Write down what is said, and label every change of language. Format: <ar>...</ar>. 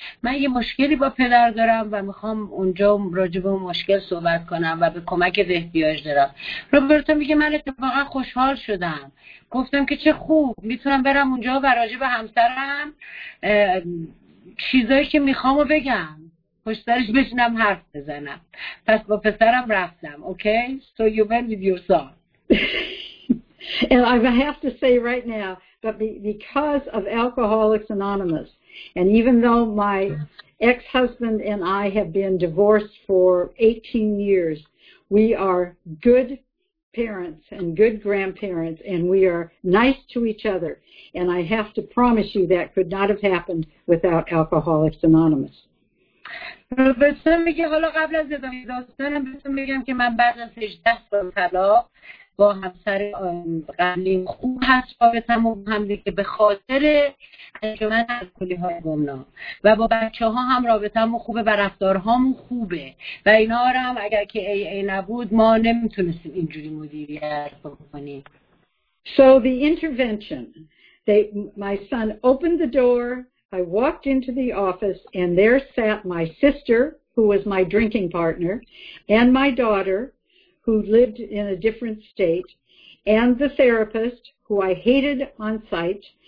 <fa>من یه مشکلی با پدر دارم و میخوام اونجا راجع به اون مشکل صحبت کنم و به کمکت احتیاج دارم. روبرتا میگه من اتفاقا خوشحال شدم، گفتم که چه خوب، میتونم برم اونجا و راجع به همسرم چیزایی که میخوامو بگم. پشت سرش بشینم حرف بزنم. پس با پسرم رفتم.</fa> <en>Okay? So you went with your son. And I have to say right now, but because of Alcoholics Anonymous, and even though my ex-husband and I have been divorced for 18 years, we are good parents and good grandparents, and we are nice to each other. And I have to promise you that could not have happened without Alcoholics Anonymous.</en> <fa>پروفسور میگه حالا قبل از ادامه داستانم بهتون میگم که من بعد از 18 سال طلاق با همسر قبلیم خوب هست رابطم و هم دیگه به خاطر انجمن الکلی های گمنام و با بچه ها هم رابطم و خوبه و رفتارهام خوبه و اینا رو هم اگر که ای ای نبود ما نمیتونستیم اینجوری مدیریت بکنیم.</fa> <en>So the intervention, my son opened the door, I walked into the office, and there sat my sister, who was my drinking partner, and my daughter, who lived in a different state, and the therapist, who I hated on sight.</en>